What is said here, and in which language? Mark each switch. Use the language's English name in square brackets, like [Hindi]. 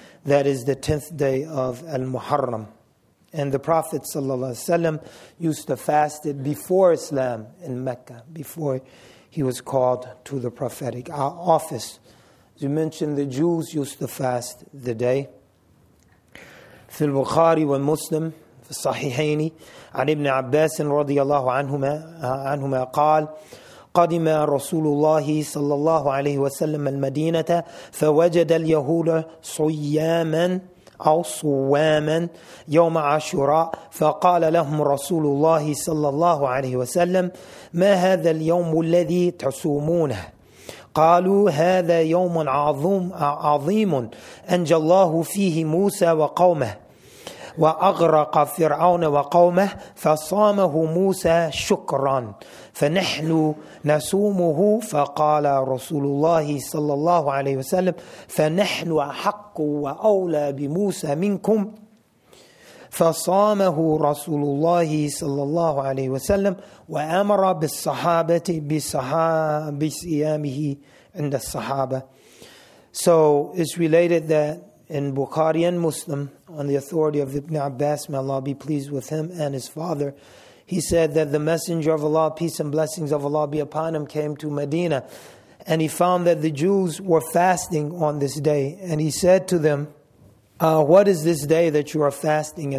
[English] That is the 10th day of Al-Muharram. And the Prophet ﷺ used to fast it before Islam in Mecca, before he was called to the prophetic office. As you mentioned, the Jews used to fast the day. [Arabic] في البخاري ومسلم في الصحيحين عن ابن عباس رضي الله عنهما قال قدم رسول الله صلى الله عليه وسلم المدينة فوجد اليهود صياما أو صواما يوم عاشوراء فقال لهم رسول الله صلى الله عليه وسلم ما هذا اليوم الذي تصومونه قالوا هذا يوم عظيم أنجى الله فيه موسى وقومه وأغرق فرعون وقومه فصامه موسى شكرا فنحن نسومه فقال رسول الله صلى الله عليه وسلم فنحن أحق وأولى بموسى منكم فصامه رسول الله صلى الله عليه وسلم وأمر بالصحابة بصيامه عند الصحابة. [English] So it's related that in Bukhari and Muslim, on the authority of Ibn Abbas, may Allah be pleased with him and his father, he said that the Messenger of Allah, peace and blessings of Allah be upon him, came to Medina, and he found that the Jews were fasting on this day, and he said to them, what is this day that you are fasting?